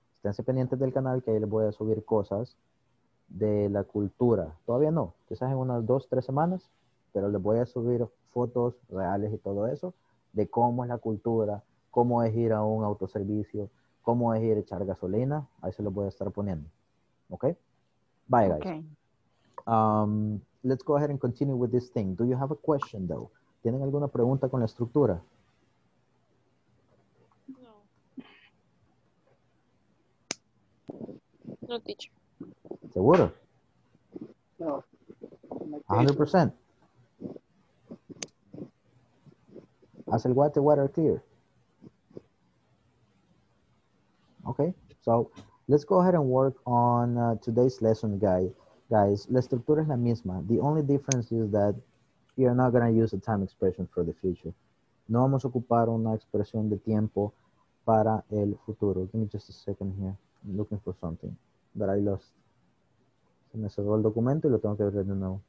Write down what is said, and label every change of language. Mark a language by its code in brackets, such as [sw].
[es] Esténse pendientes del canal que ahí les voy a subir cosas de la cultura. Todavía no, quizás en unas 2-3 semanas, pero les voy a subir fotos reales y todo eso de cómo es la cultura, cómo es ir a un autoservicio, cómo es ir a echar gasolina. Ahí se los voy a estar poniendo. ¿Ok? [en] Bye, guys. Okay. Let's go ahead and continue with this thing. Do you have a question, though? [es] ¿Tienen alguna pregunta con la estructura? No. No, teacher. ¿Seguro? No. 100%. Has el what the water clear? [en] Okay, so let's go ahead and work on today's lesson, guys. [es] La estructura es la misma. [en] The only difference is that you're not going to use a time expression for the future. [es] No vamos a ocupar una expresión de tiempo para el futuro. [en] Give me just a second here. I'm looking for something that I lost. [es] Se me cerró el documento y lo tengo que ver de nuevo.